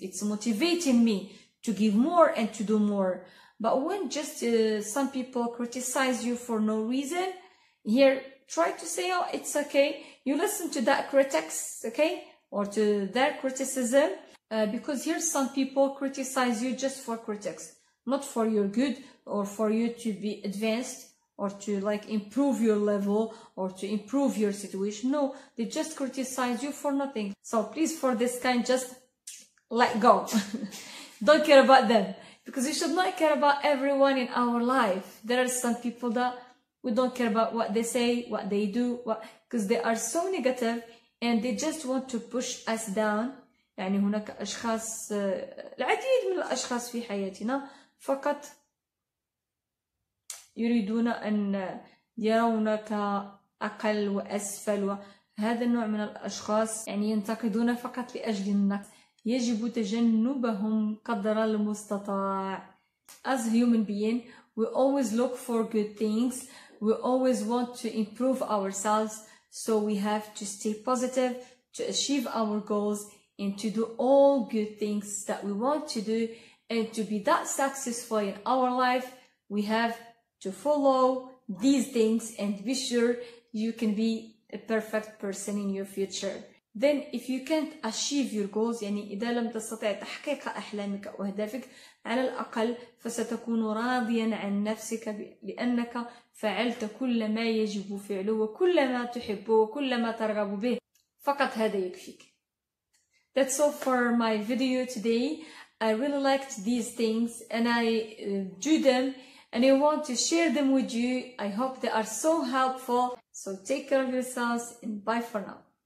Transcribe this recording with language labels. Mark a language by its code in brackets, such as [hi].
[en] It's motivating me to give more and to do more. But when just some people criticize you for no reason, here try to say, oh, it's okay. You listen to that critics, okay? Or to their criticism. Because here some people criticize you just for critics, not for your good or for you to be advanced or to like improve your level or to improve your situation. No, they just criticize you for nothing. So please, for this kind, just let go. Don't care about them, because you should not care about everyone in our life. There are some people that we don't care about what they say, what they do, because they are so negative and they just want to push us down. [ar] يعني هناك أشخاص العديد من الأشخاص في حياتنا فقط يريدون أن يرونك أقل وأسفل. وهذا النوع من الأشخاص يعني ينتقدون فقط لأجل النقد. يجب تجنبهم قدر المستطاع. [en] As human being, we always look for good things. We always want to improve ourselves. So we have to stay positive, to achieve our goals, and to do all good things that we want to do. And to be that successful in our life, we have to follow these things and be sure you can be a perfect person in your future. Then if you can't achieve your goals, [ar] يعني إذا لم تستطع تحقيق أحلامك وأهدافك على الأقل فستكون راضيا عن نفسك لأنك فعلت كل ما يجب فعله وكل ما تحبه وكل ما ترغب به. فقط هذا يكفيك. [en] That's all for my video today. I really liked these things and I do them and I want to share them with you. I hope they are so helpful. So take care of yourselves and bye for now.